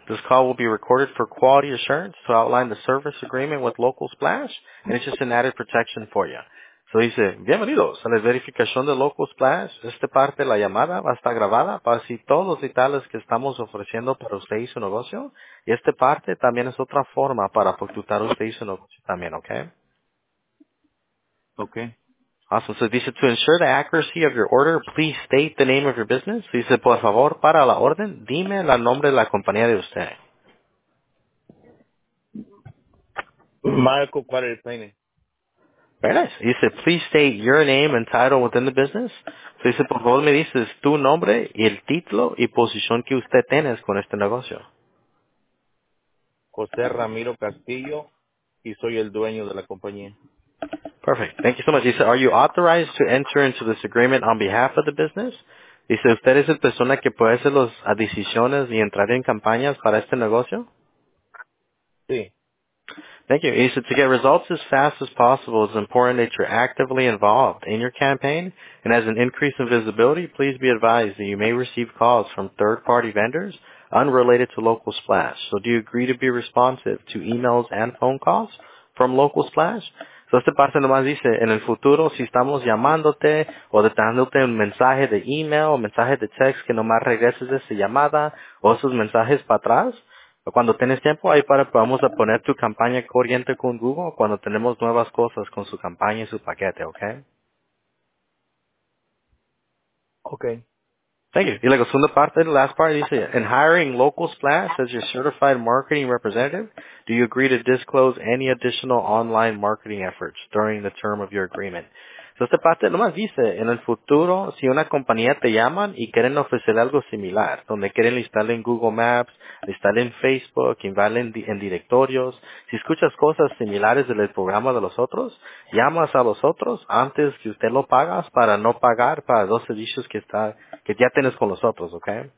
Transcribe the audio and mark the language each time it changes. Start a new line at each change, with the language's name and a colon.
English: This call will be recorded for quality assurance to outline the service agreement with Local Splash, and it's just an added protection for you. So he said,
Spanish: bienvenidos a la verificación de Local Splash. Esta parte de la llamada va a estar grabada para así todos los detalles que estamos ofreciendo para usted y su negocio. Y esta parte también es otra forma para facturar usted y su negocio también, ¿ok?
English: Ok. Awesome. So, dice, to ensure the accuracy of your order, please state the name of your business.
Spanish: Dice, por favor, para la orden, dime el nombre de la compañía de usted. Marco Cuadre
English: Pene. Very nice. Dice, please state your name and title within the business.
Spanish: So, dice, por favor, me dices tu nombre y el título y posición que usted tiene con este negocio. José Ramiro Castillo, y soy el dueño de la compañía.
English: Perfect. Thank you so much. Dice, are you authorized to enter into this agreement on behalf of the business?
Spanish: Dice, ¿usted es la persona que puede hacer las decisiones y entrar en campañas para este negocio? Sí.
English: Thank you. Dice, to get results as fast as possible, it's important that you're actively involved in your campaign. And as an increase in visibility, please be advised that you may receive calls from third-party vendors unrelated to Local Splash. So do you agree to be responsive to emails and phone calls from Local Splash?
Spanish: So, esta parte nomás dice, en el futuro, si estamos llamándote o dándote un mensaje de email o mensaje de text, que nomás regreses de esa llamada o esos mensajes para atrás, cuando tienes tiempo, ahí para vamos a poner tu campaña corriente con Google cuando tenemos nuevas cosas con su campaña y su paquete, ¿ok?
English: Ok. Thank you.
Spanish: Y la segunda parte,
English: the last part, dice, in hiring Local Splash as your certified marketing representative, do you agree to disclose any additional online marketing efforts during the term of your agreement?
Spanish: So, esta parte nomás dice, en el futuro, si una compañía te llaman y quieren ofrecer algo similar, donde quieren listarle en Google Maps, listarle en Facebook, invadirle en directorios, si escuchas cosas similares del programa de los otros, llamas a los otros antes que usted lo pagas para no pagar para dos servicios que ya tienes con los otros, ¿ok?